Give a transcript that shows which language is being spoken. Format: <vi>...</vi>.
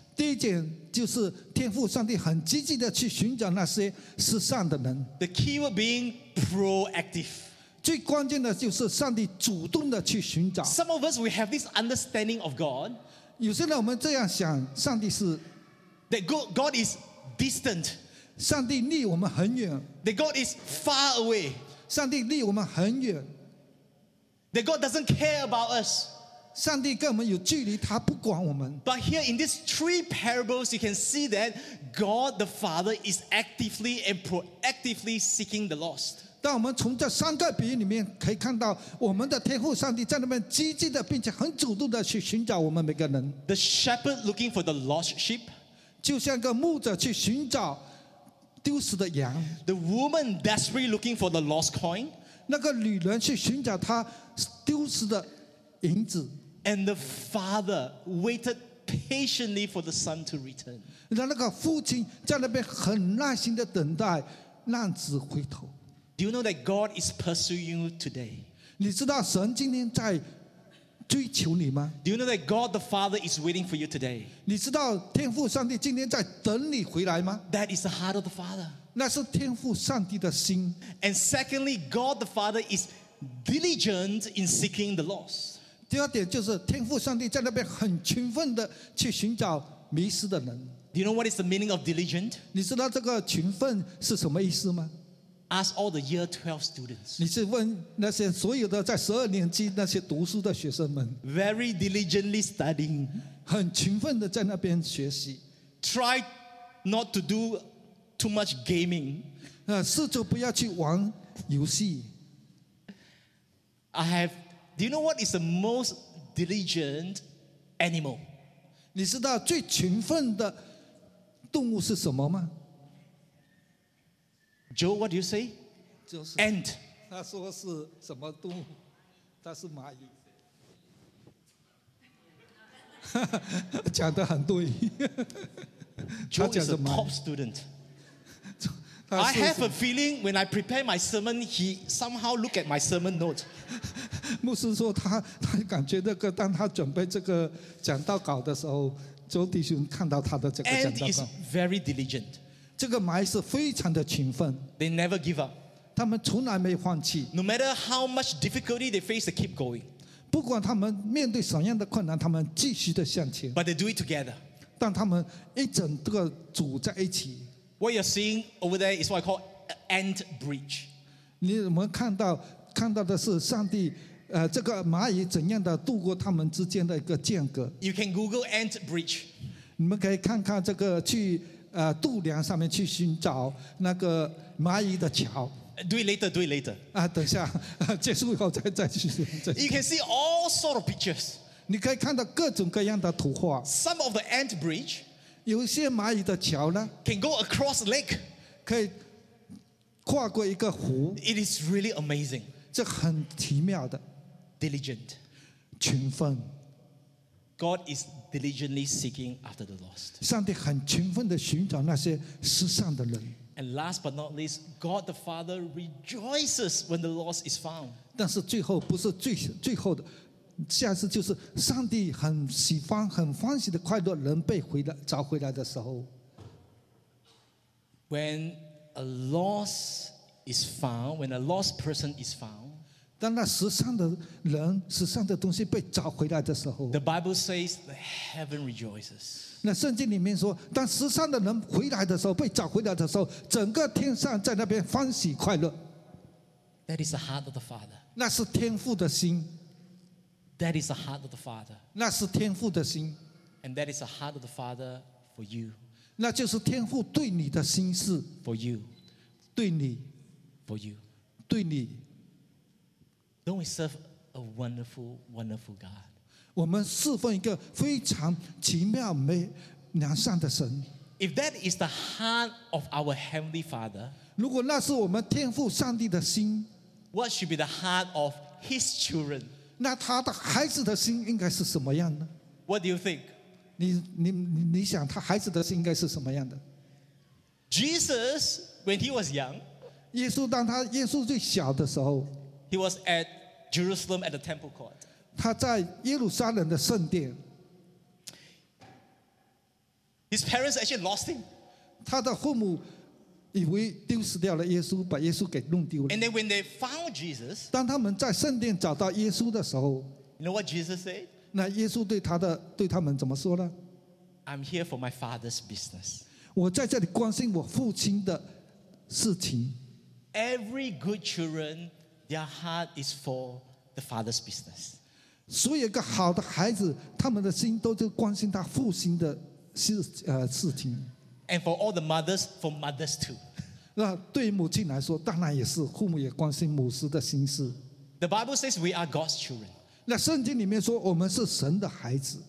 <zh>第一件就是天父上帝很积极的去寻找那些失散的人。</zh> <en>The key word being proactive.</en> <zh>最关键的就是上帝主动的去寻找。</zh> <en>Some of us we have this understanding of God.</en> <zh>有些人我们这样想，上帝是</zh> <en>that God is distant.</en> <zh>上帝离我们很远。</zh> <en>That God is far away.</en> <zh>上帝离我们很远。</zh> <en>That God doesn't care about us.</en> <zh>上帝跟我们有距离，他不管我们。</zh> <en>But here in these three parables, you can see that God the Father is actively and proactively seeking the lost.</en> <zh>但我们从这三个比喻里面可以看到，我们的天父上帝在那边积极的，并且很主动的去寻找我们每个人。</zh> <en>The shepherd looking for the lost sheep,</en> <zh>就像个牧者去寻找丢失的羊。</zh> <en>The woman desperately looking for the lost coin,</en> <zh>那个女人去寻找她丢失的。</zh> <en>And the father waited patiently for the son to return.</en> <zh>那个父亲在那边很耐心的等待浪子回头。</zh> <en>Do you know that God is pursuing you today?</en> <zh>你知道神今天在追求你吗？</zh> <en>Do you know that God the Father is waiting for you today?</en> <zh>你知道天父上帝今天在等你回来吗？</zh> <en>That is the heart of the Father.</en> <zh>那是天父上帝的心。</zh> <en>And secondly, God the Father is diligent in seeking the lost.</en> <zh>第二点就是天父上帝在那边很勤奋的去寻找迷失的人。</zh> <en>Do you know what is the meaning of diligent?</en> <zh>你知道这个勤奋是什么意思吗</zh> <en>？Ask all the year 12 students.</en> <zh>你是问那些所有的在十二年级那些读书的学生们。</zh> <en>Very diligently studying.</en> <zh>很勤奋的在那边学习。</zh> <en>Try not to do too much gaming.</en> <zh>试着不要去玩游戏。</zh> <en>Do you know what is the most diligent animal?</en> <zh>你知道最勤奋的动物是什么吗</zh> <en>？Joe, what do you say?</en> <zh>就是</zh> <en>ant.</en> <zh>他说是什么动物？他是蚂蚁。讲得很对。</zh> <en>Joe is a top student. I have a feeling when I prepare my sermon, he somehow look at my sermon note.</en> <zh>牧师说他感觉这个，当他准备这个讲道稿的时候，周弟兄看到他的这个讲道稿。</zh> <en>And is very diligent.</en> <zh>这个埋是非常的勤奋。</zh> <en>They never give up.</en> <zh>他们从来没放弃。</zh> <en>No matter how much difficulty they face, they keep going.</en> <zh>不管他们面对什么样的困难，他们继续的向前。</zh> <en>But they do it together.</en> <zh>但他们一整个组在一起。</zh> <en>What you're seeing over there is what I call an ant bridge.</en> <zh>你们看到的是上帝。这个蚂蚁怎样的度过他们之间的一个间隔</zh> <en>？You can Google ant bridge。</en> <zh>你们可以看看这个去度量上面去寻找那个蚂蚁的桥。</zh> <en>Do it later, do it later。</en> <zh>啊，等一下，结束以后再去。</zh> <en>You can see all sort of pictures。</en> <zh>你可以看到各种各样的图画。</zh> <en>Some of the ant bridge，</en> <zh>有些蚂蚁的桥呢</zh> <en>，can go across lake，</en> <zh>可以跨过一个湖。</zh> <en>It is really amazing。</en> <zh>这很奇妙的。</zh> <en>Diligent,</en> <zh>勤奋。</zh> <en>God is diligently seeking after the lost.</en> <zh>上帝很勤奋地寻找那些失丧的人。</zh> <en>And last but not least, God the Father rejoices when the lost is found.</en> <zh>但是最后不是最后的，下次就是上帝很喜欢、很欢喜的快乐人被回来找回来的时候。</zh> <en>When a lost is found, when a lost person is found.</en> <zh>当那失丧的人、失丧的东西被找回来的时候</zh> <en>，The Bible says the heaven rejoices。</en> <zh>那圣经里面说，当失丧的人回来的时候、被找回来的时候，整个天上在那边欢喜快乐。</zh> <en>That is the heart of the Father。</en> <zh>那是天父的心。</zh> <en>That is the heart of the Father。</en> <zh>那是天父的心。</zh> <en>And that is the heart of the Father for you。</en> <zh>那就是天父对你的心事。</zh> <en>For you。</en> <zh>对你。</zh> <en>For you。</en> <zh>对你。</zh> <en>Don't we serve a wonderful, wonderful God?</en> <zh>我们侍奉一个非常奇妙、美、良善的神。</zh> <en>If that is the heart of our Heavenly Father,</en> <zh>如果那是我们天父上帝的心</zh> <en>，What should be the heart of His children?</en> <zh>那他的孩子的心应该是什么样呢</zh> <en>？What do you think?</en> <zh>你想他孩子的心应该是什么样的</zh> <en>？Jesus, when he was young,</en> <zh>耶稣当他耶稣最小的时候。</zh> <en>He was at Jerusalem at the temple court.</en> <zh>他在耶路撒冷的圣殿。</zh> <en>His parents actually lost him.</en> <zh>他的父母以为丢失掉了耶稣，把耶稣给弄丢了。</zh> <en>And then when they found Jesus,</en> <zh>当他们在圣殿找到耶稣的时候</zh> <en>，You know what Jesus said?</en> <zh>那耶稣对他们怎么说呢</zh> <en>？I'm here for my father's business.</en> <zh>我在这里关心我父亲的事情。</zh> <en>Every good children. Their heart is for the father's business.</en> <zh>所以一个好的孩子，他们的心都就关心他父亲的事情。</zh> <en>And for all the mothers, for mothers too.</en> <zh>那对母亲来说，当然也是父母也关心母子的心事。</zh> <en>The Bible says we are God's children.</en> <zh>那圣经里面说我们是神的孩子。</zh>